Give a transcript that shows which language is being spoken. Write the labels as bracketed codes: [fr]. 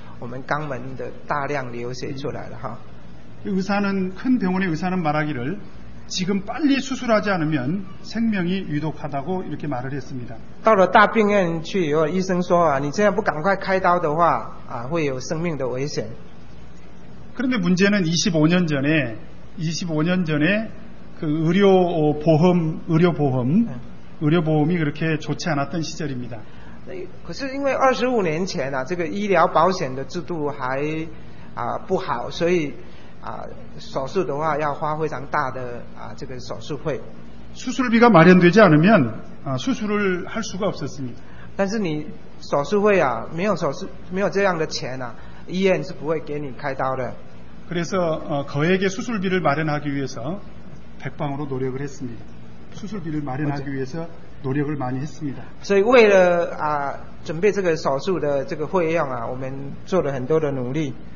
[zh] 我们肛门的大量流血出来了哈。 [ko] 의사는큰병원의의사는말하기를지금빨리수술하지않으면생명이위독하다고이렇게말을했습니다 [zh] 到了大病院去以后，医生说啊，你这样不赶快开刀的话啊，会有生命的危险。 [ko] 그런데문제는25년 전에그의료보험의료보험의료보험이그렇게좋지않았던시절입니다 [zh] 可是因为25年前啊，这个医疗保险的制度还啊不好，所以啊手术的话要花非常大的啊这个手术费。 [ko] 수술비가마련되지않으면아수술을할수가없었습니다 [zh] 但是你手术费啊，没有手术，没有这样的钱啊，医院是不会给你开刀的。 [ko] 그래서거액의수술비를마련하기위해서백방으로노력을했습니다수술비를마련하기위해서노력을많이했습니다 [zh] 所以为了啊准备这个手术的这个费用啊，我们做了很多的努力。